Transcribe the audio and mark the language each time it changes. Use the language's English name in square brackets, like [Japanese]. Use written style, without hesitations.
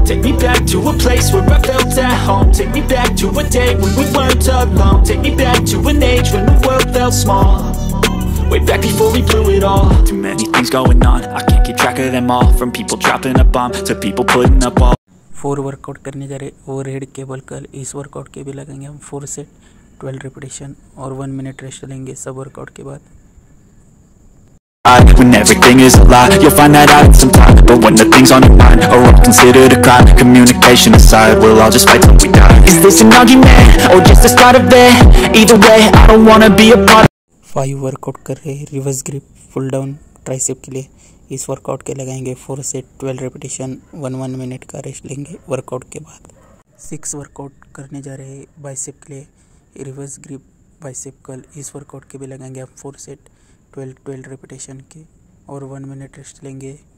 [English] Take me back to a place where I felt at home. Take me back to a day when we weren't alone. Take me back to an age when the world felt small. Way back before we blew it all. Too many things going on, I can't keep track of them all. From people dropping a bomb to people putting up all. [Hindi] 4 workout करने जा रहे overhead cable curl. इस workout के भी लगेंगे हम 4 set 12 repetition और 1 minute rest लेंगे सब वर्कआउट के बाद। [English] When everything is a lie, you'll find that out in some time. But when the things on your mind are all considered a crime, communication aside, we'll all just fight till we die. Is this an argument or just the start of it? Either way, I don't wanna be a part. [Hindi] 5 workout कर रहे हैं reverse grip pull down tricep के लिए। इस workout के लगाएंगे 4 set 12 repetition, 1 1 minute का rest लेंगे workout के बाद। 6 workout करने जा रहे हैं bicep के लिए reverse grip bicep curl। इस workout के भी लगाएंगे हम 4 set 12 12 रिपीटेशन के और 1 मिनट रेस्ट लेंगे।